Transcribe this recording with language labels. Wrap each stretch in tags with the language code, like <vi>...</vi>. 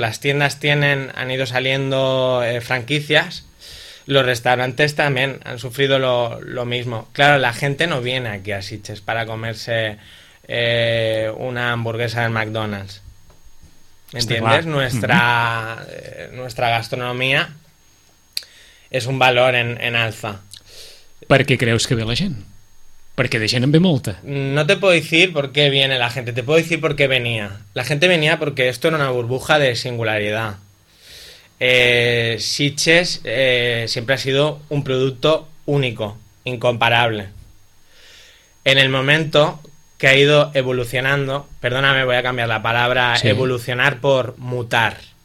<es>Las tiendas han ido saliendo franquicias, los restaurantes también han sufrido lo mismo. Claro, la gente no viene aquí a Sitges para comerse una hamburguesa en McDonald's. ¿Entiendes? Este nuestra gastronomía...</es> <ca>és un valor en alza. Per què creus que ve la gent? Perquè de gent en ve molta.</ca> <es>No te puedo decir por qué viene la gente, te puedo decir por qué venía. La gente venía porque esto era una burbuja de singularidad. Sitges siempre ha sido un producto único, incomparable. En el momento que ha ido evolucionando, perdóname, voy a cambiar la palabra, sí, evolucionar por mutar.</es>